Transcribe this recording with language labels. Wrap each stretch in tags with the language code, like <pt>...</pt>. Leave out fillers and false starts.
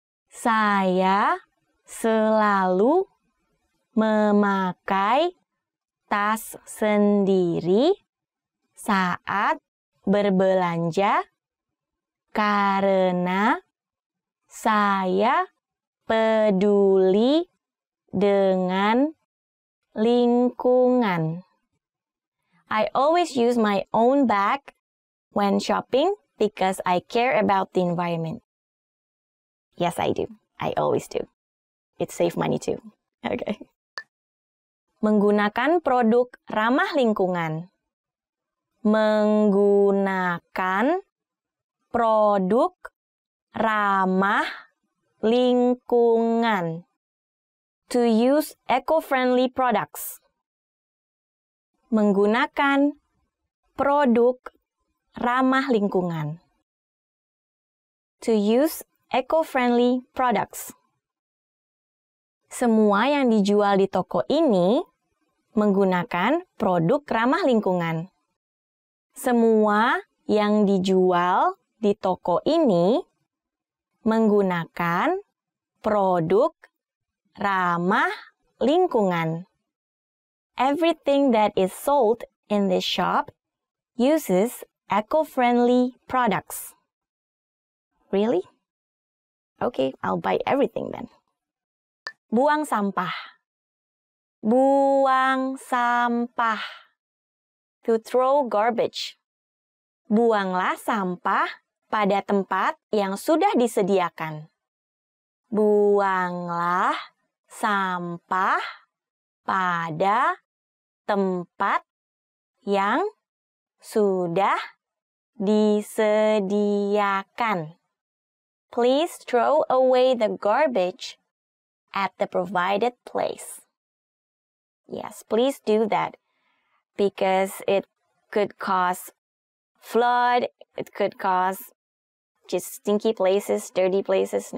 <id>Saya selalu memakai tas sendiri saat berbelanja karena saya peduli dengan lingkungan.</id> <en>I always use my own bag when shopping because I care about the environment. Yes, I do. I always do. It saves money too. Okay.</en> <id>Menggunakan produk ramah lingkungan. menggunakan produk ramah lingkungan.</id> <en>To use eco-friendly products.</en> <id>Menggunakan produk ramah lingkungan.</id> <en>To use eco-friendly products.</en> <id>Semua yang dijual di toko ini menggunakan produk ramah lingkungan. Semua yang dijual di toko ini menggunakan produk ramah lingkungan.</id> <en>Everything that is sold in this shop uses eco-friendly products. Really? Okay, I'll buy everything then.</en> <id>Buang sampah. Buang sampah.</id> <en>To throw garbage.</en> <id>Buanglah sampah pada tempat yang sudah disediakan. Buanglah sampah pada tempat yang sudah disediakan.</id> <en>Please throw away the garbage at the provided place. Yes, please do that because it could cause flood, it could cause just stinky places, dirty places.</en>